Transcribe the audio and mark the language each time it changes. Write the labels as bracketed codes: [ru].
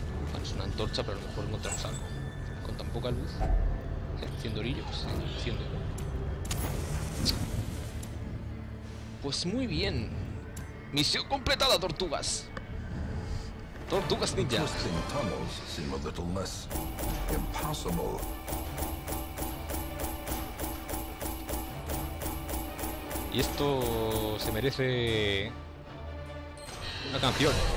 [es] Bueno, es una antorcha, pero a lo mejor encontramos algo. Con tan poca luz. Enciendo orillo, pues sí, enciende. Pues muy bien. Misión completada, tortugas. Tortugas ninja. [en] Twisting tunnels seem a little less impossible. [es] Y esto se merece una canción.